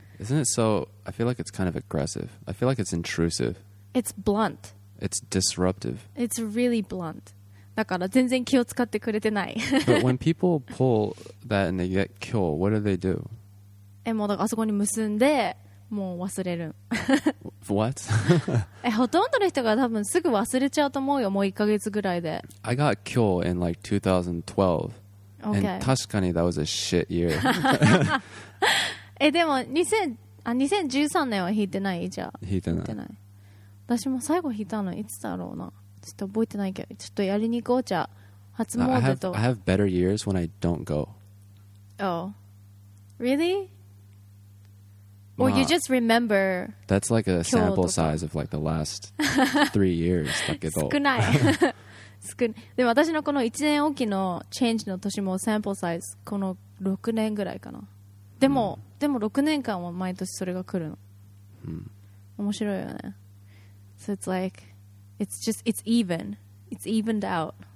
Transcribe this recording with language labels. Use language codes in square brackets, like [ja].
[en] Isn't it so I feel like it's kind of aggressive I feel like it's intrusive It's blunt It's disruptive It's really blunt [ja] だから全然気を使ってくれてない [en] But when people pull that and they get killed what do they do? [ja] もうだからあそこに結んでもう忘れる。 [en] What? [ja] ほとんどの人が多分すぐ忘れちゃうと思うよ、もう1ヶ月ぐらいで。 [en] I got kyo in like 2012. Okay. And [ja] 確かに [en] that was a shit year. [ja] え、でも2013年は弾いてない？じゃあ。弾いてない。弾いてない。私も最後弾いたのいつだろうな。ちょっと覚えてないけど、ちょっとやりに行こうじゃ。初詣と。 [en] I have better years when I don't go. Oh. Really? Or you just remember. That's like a sample size of like the last three years. [ja] 少ない。少ない。でも私のこの1年おきの change の年もサンプルサイズこの6年ぐらいかな。でも、でも6年間は毎年それが来るの。面白いよね。 [en] So it's like, it's just, it's even. It's evened out.